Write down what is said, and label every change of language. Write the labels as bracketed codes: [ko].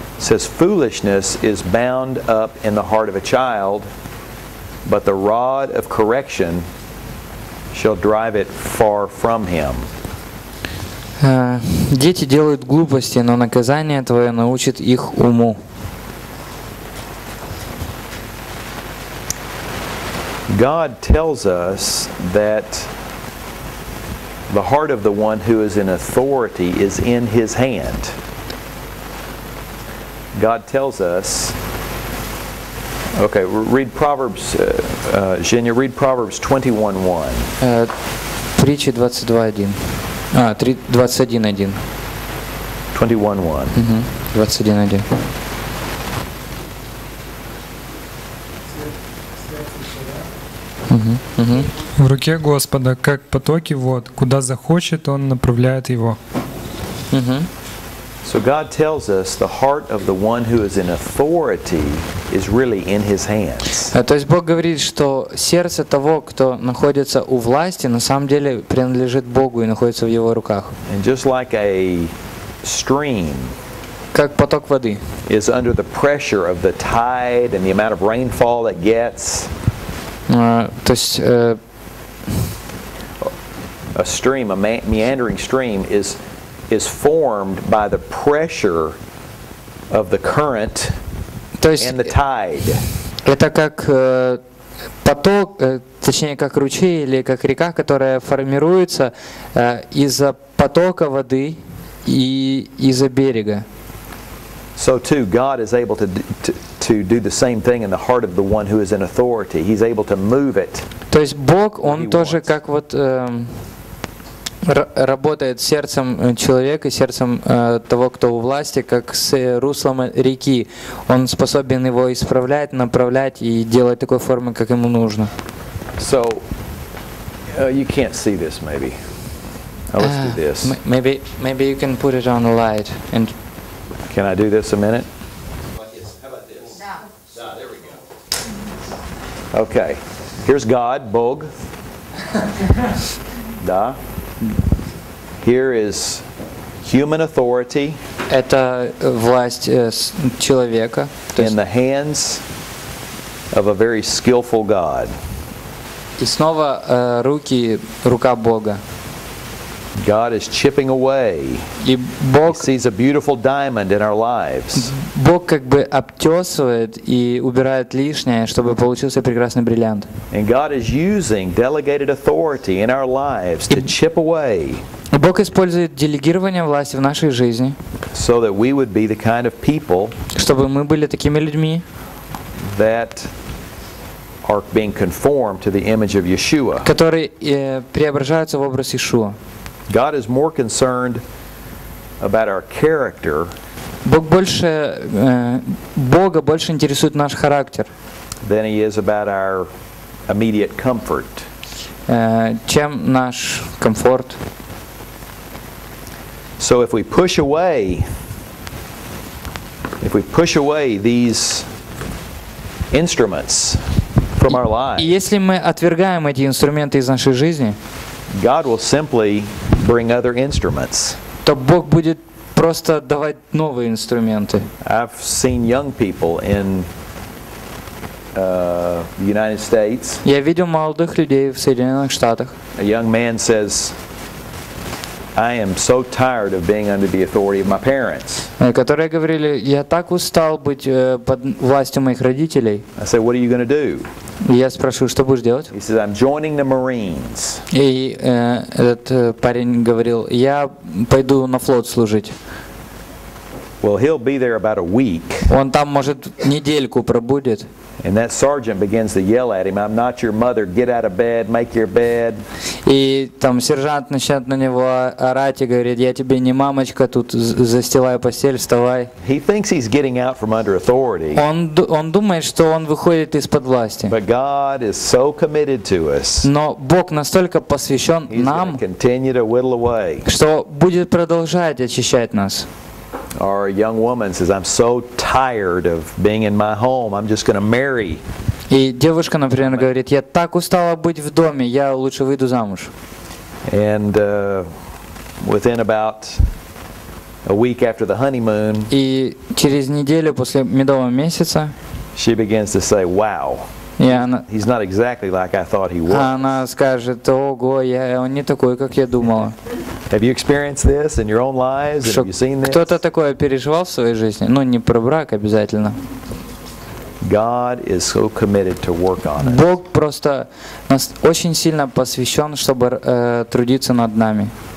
[en] Says foolishness is bound up in the heart of a child, but the rod of correction shall drive it far from him. [ru] Дети делают глупости, но наказание твое научит их уму. [en] God tells us that the heart of the one who is in authority is in his hand. God tells us, okay, read Proverbs, Женя, read Proverbs 21:1. [ru] Притчи 22:1. 21:1. 21:1. 21:1. В руке Господа, как потоки вод, куда захочет, Он направляет его. [en] So God tells us the heart of the one who is in authority is really in his hands. [ru] То есть Бог говорит, что сердце того, кто находится у власти, на самом деле принадлежит Богу и находится в его руках. [en] And just like a stream, [ru] как поток воды, [en] is under the pressure of the tide and the amount of rainfall it gets. [ru] То есть [en] a stream, a meandering stream is formed by the pressure of the current and the tide. [ru] Это как поток, точнее как ручей или как река, которая формируется из-за потока воды и из-за берега. [en] So too, God is able to do the same thing in the heart of the one who is in authority. He's able to move it. [ru] То есть Бог, Он тоже как вот работает сердцем человека, сердцем того, кто у власти, как с руслом реки. Он способен его исправлять, направлять и делать такой формы, как ему нужно. [en] So, you can't see this, maybe. Oh, let's do this. Maybe you can put it on the light. And can I do this a minute? Yes, how about this? [ru] Da, [en] there we go. Okay, here's God, Bog. Da. Here is human authority. [ru] Это власть человека. [en] In the hands of a very skillful God. [ru] И снова рука Бога. [en] God is chipping away. [ru] И Бог, [en] he sees a beautiful diamond in our lives. [ru] Бог как бы обтесывает и убирает лишнее, чтобы получился прекрасный бриллиант. [en] And God is using delegated authority in our lives to chip away. [ru] Бог использует делегирование власти в нашей жизни, [en] so that we would be the kind of people, [ru] чтобы мы были такими людьми, [en] that are being conformed to the image of Yeshua, [ru] которые преображаются в образ Иешуа. [en] God is more concerned about our character. [ru] Бог больше Бога больше интересует наш характер. [en] Than he is about our immediate comfort. [ru] Чем наш комфорт. [en] So if we push away these instruments from our lives. [ru] Если мы отвергаем эти инструменты из нашей жизни, [en] God will simply bring other instruments. [ru] То Бог будет просто давать новые инструменты. [en] I've seen young people in the United States. [ru] Я видел молодых людей в Соединенных Штатах. [en] A young man says, "I am so tired of being under the authority of my parents." [ru] Которые говорили, я так устал быть под властью моих родителей. [en] I said, "What are you going to do?" [ru] Я спрашиваю, что будешь делать? [en] He says, "I'm joining the Marines." [ru] И этот парень говорил, я пойду на флот служить. [en] Well, he'll be there about a week. [ru] Он там может недельку пробудет. [en] And that sergeant begins to yell at him, "I'm not your mother. Get out of bed. Make your bed." [ru] И там сержант начинает на него орать и говорит, я тебе не мамочка, тут застилаю постель, вставай. [en] He thinks he's getting out from under authority. [ru] Он думает, что он выходит из-под власти. [en] But God is so committed to us. [ru] Но Бог настолько посвящен нам. [en] He's going to continue to whittle away. [ru] Что будет продолжать очищать нас. [en] Or a young woman says, "I'm so tired of being in my home. I'm just going to marry." [ru] И девушка, например, говорит, я так устала быть в доме, я лучше выйду замуж. [en] And within about a week after the honeymoon, [ru] и через неделю после медового месяца, [en] she begins to say, "Wow." He's not exactly like I thought he was. [ru] Она скажет: "Ого, я он не такой, как я думала." [en] Have you experienced this in your own lives? Have you seen this? [ru] Кто-то такое переживал в своей жизни? Ну, не про брак обязательно. [en] God is so committed to work on it. [ru] Бог просто нас очень сильно посвящен, чтобы трудиться над нами.